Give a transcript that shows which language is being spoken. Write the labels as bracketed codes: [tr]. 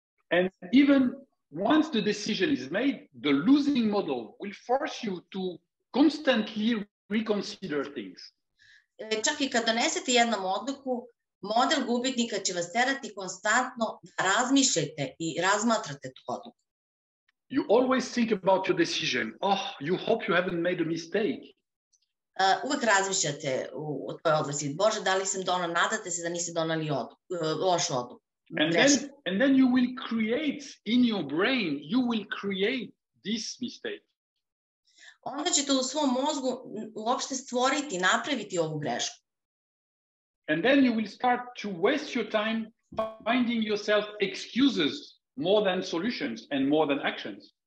[en] And even once the decision is made, the losing model will force you to constantly reconsider things. [sr] Čak i kad donesete jednu odluku, model gubitnika će vas terati konstantno da razmišljate i razmatrate tu odluku. [en] You always think about your decision. Oh, you hope you haven't made a mistake. [sr] Uvek razmišljate o tvojoj odluci. Bože, da li sam donao, nadate se da nisi donali lošu odluku. [en] And then you will create in your brain, you will create this mistake. [sr] Onda ćete u svom mozgu uopšte stvoriti, napraviti ovu grešku. [en] And then you will start to waste your time finding yourself excuses more than solutions and more than actions.